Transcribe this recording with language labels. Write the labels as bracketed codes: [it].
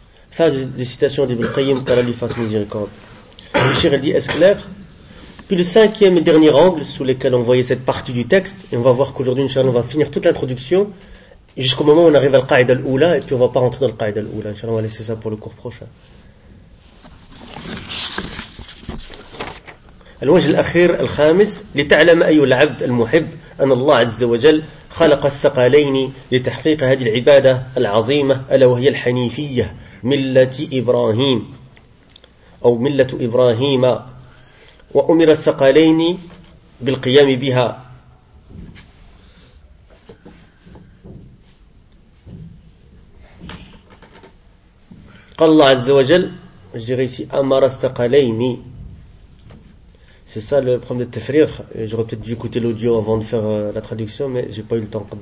[fr] Phase des citations d'Ibn Qayyim, qu'Allah lui fasse miséricorde. Le cheikh dit, est-ce clair? Puis le cinquième et dernier angle sous lequel on voyait cette partie du texte, et on va voir qu'aujourd'hui, inshallah, on va finir toute l'introduction jusqu'au moment où on arrive à l'qaïd al-oula, et puis on ne va pas rentrer dans l'qaïd al-oula. Inshallah, on va laisser ça pour le cours prochain. [ar] الوجه الأخير الخامس لتعلم أي العبد المحب أن الله عز وجل خلق الثقلين لتحقيق هذه العبادة العظيمة ألا وهي الحنيفية ملة إبراهيم أو ملة إبراهيم وأمر الثقلين بالقيام بها قال الله عز وجل أمر الثقلين. [fr] C'est ça le problème de Tafriq. J'aurais peut-être dû écouter l'audio avant de faire la traduction, mais j'ai pas eu le temps.